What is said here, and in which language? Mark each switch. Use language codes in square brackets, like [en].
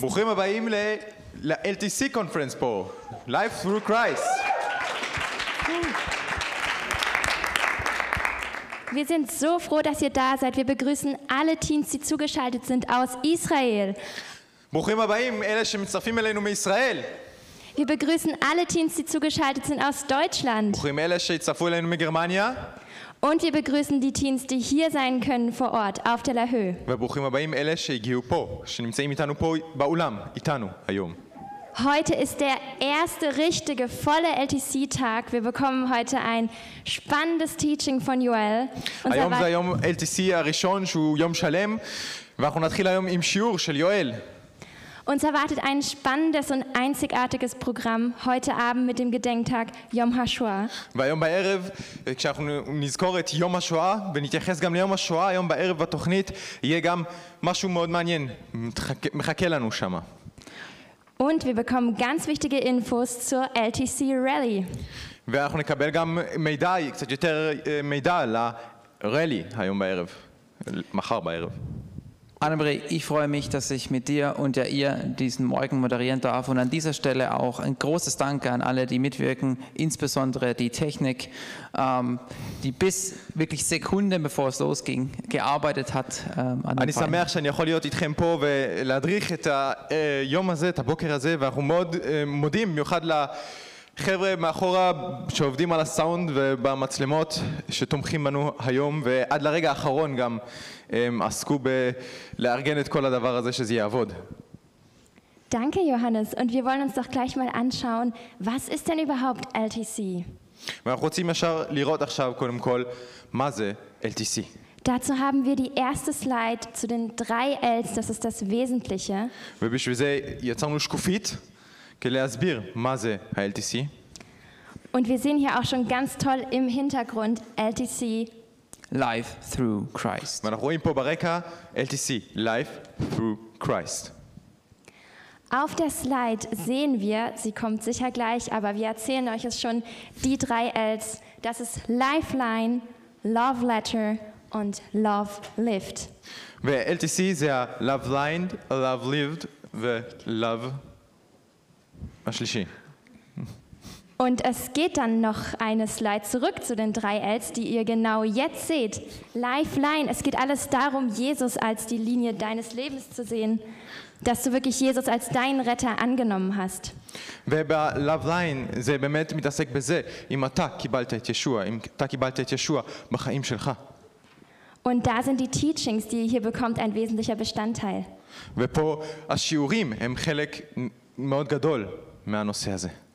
[he] ברוכים הבאים ל-LTC Conference פה, Life Through Christ. [de] Wir sind so froh, dass ihr da seid. Wir begrüßen alle Teens, die zugeschaltet sind aus Israel. [he] ברוכים הבאים אלה שמצטרפים אלינו מישראל. [de] Wir begrüßen alle Teens, die zugeschaltet sind aus Deutschland. [he] ברוכים אלה שהצטרפו אלינו מגרמניה. [de] Und wir begrüßen die Teens, die hier sein können vor Ort auf der LaHue. [he] וברוכים הבאים אלה שהגיעו פה, שנמצאים איתנו פה באולם, איתנו היום. [de] Heute ist der erste richtige volle LTC Tag. Wir bekommen heute ein spannendes Teaching von Joel. [he] היום זה היום LTC הראשון שהוא יום שלם, ואנחנו נתחיל היום עם שיעור של יואל. [de] Uns erwartet ein spannendes und einzigartiges Programm heute Abend mit dem Gedenktag Yom HaShoah. [he] והיום בערב, כשאנחנו נזכור את יום השואה, ונתייחס גם ליום השואה, היום בערב בתוכנית, יהיה גם משהו מאוד מעניין, מחכה לנו שם. [de] Und wir bekommen ganz wichtige Infos zur LTC Rally. [he] ואנחנו נקבל גם מידע, קצת יותר מידע לרלי היום בערב, מחר בערב. [de] Annemarie, ich freue mich, dass ich mit dir und ja ihr diesen Morgen moderieren darf und an dieser Stelle auch ein großes Danke an alle, die mitwirken, insbesondere die Technik, die bis wirklich Sekunden bevor es losging gearbeitet hat. [he] אני שמח שאני יכול להיות איתכם פה ולהדריך את היום הזה, את הבוקר הזה, ואנחנו מאוד מודים מיוחד לחבר'ה מאחורה שעובדים על הסאונד ובמצלמות שתומכים בנו היום ועד לרגע האחרון גם. עסקו בלארגן את כל הדבר הזה שזה יעבוד. [de] Danke Johannes und wir wollen uns doch gleich mal anschauen, was ist denn überhaupt LTC? [he] אנחנו רוצים ישר לראות עכשיו קודם כל מה זה LTC. [de] Dazu haben wir die erste Slide zu den drei L's, das ist das Wesentliche. [he] ובשביל זה יצרנו שקופית כדי להסביר מה זה ה-LTC. [de] Und wir sehen hier auch schon ganz toll im Hintergrund LTC [en] Life through Christ. [de] Wir haben hier bei LTC, Life through Christ. Auf der Slide sehen wir, sie kommt sicher gleich, aber wir erzählen euch es schon, die drei L's. Das ist Lifeline, Love Letter und Love Lived. Wir LTC sehr Love Lined, Love Lived, the Love. Und es geht dann noch eine Slide zurück zu den drei L's, die ihr genau jetzt seht. Lifeline, es geht alles darum, Jesus als die Linie deines Lebens zu sehen, dass du wirklich Jesus als deinen Retter angenommen hast. [he] Weber Lifeline, זה באמת מתעסק בזה, אם אתה קיבלת את ישוע, אם אתה קיבלת את ישוע בחיים שלך. [de] Und da sind die Teachings, die ihr hier bekommt, ein wesentlicher Bestandteil. [he] ופה השיעורים הם חלק מאוד גדול מהנושא הזה.